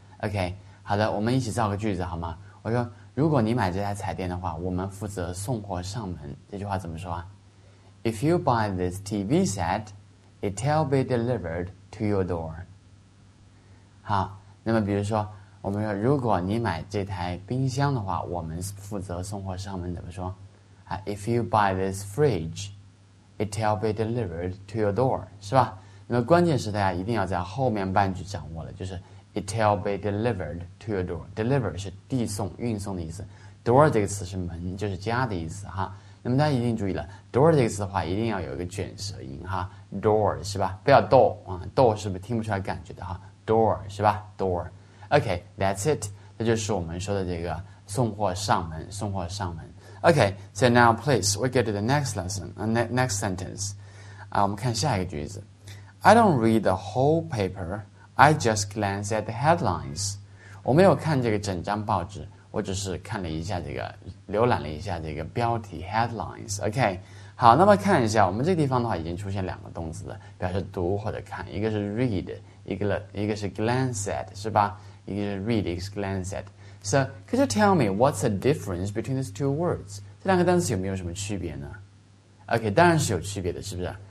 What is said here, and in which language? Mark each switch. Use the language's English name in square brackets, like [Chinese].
[Chinese] OK，好的，我们一起造个句子好吗？我说。如果你买这台彩电的话，我们负责送货上门。这句话怎么说啊？ [English] If you buy this TV set, it will be delivered to your door。 [Chinese] 好，那么比如说，我们说如果你买这台冰箱的话，我们负责送货上门，怎么说？ [English] 啊，If you buy this fridge, it will be delivered to your door，是吧？ [Chinese] 那么关键是大家一定要在后面半句掌握了，就是。 [English] It will be delivered to your door. [Chinese] Deliver 是递送、运送的意思，door 这个词是门，就是家的意思哈。那么大家一定注意了，door 这个词的话，一定要有一个卷舌音哈，door 是吧？不要 do 啊，do 是不是听不出来感觉的哈？door 是吧？door。 [English] OK，that's it。 [Chinese] 那就是我们说的这个送货上门，送货上门。 [English] OK，so now please we get to the next lesson. Next sentence [Chinese] 啊，我们看下一个句子。 [English] I don't read the whole paper. I just glance at the headlines。 [Chinese] 我没有看这个整张报纸，我只是看了一下这个，浏览了一下这个标题 headlines。 OK，好，那么看一下，我们这个地方的话已经出现两个动词了，表示读或者看，一个是 read，一个是 glance at，是吧？一个是 read，一个是 glance at。 [English] So could you tell me what's the difference between these two words？ [Chinese] 这两个单词有没有什么区别呢？OK，当然是有区别的，是不是？